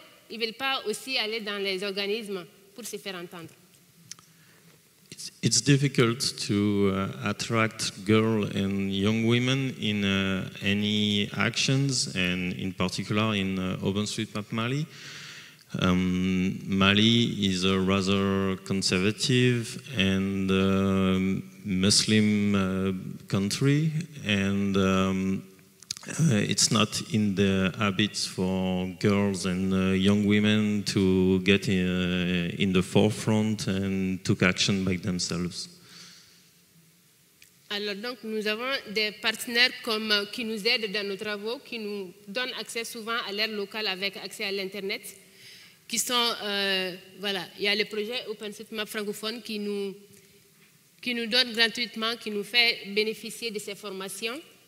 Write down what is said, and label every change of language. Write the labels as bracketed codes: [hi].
[fr] Ils veulent pas aussi aller dans les organismes pour se faire entendre. [en] It's difficult to attract girls and young women in any actions, and in particular in OpenStreetMap Mali. Mali is a rather conservative and Muslim country, and it's not in the habits for girls and young women to get in the forefront and took action by themselves. [fr] Alors donc nous avons des partenaires comme qui nous aident dans nos travaux, qui nous donnent accès souvent à l'aire locale avec accès à l'internet, qui sont voilà, il y a le projet OpenStreetMap francophone qui nous donne gratuitement, qui nous fait bénéficier de ces formations.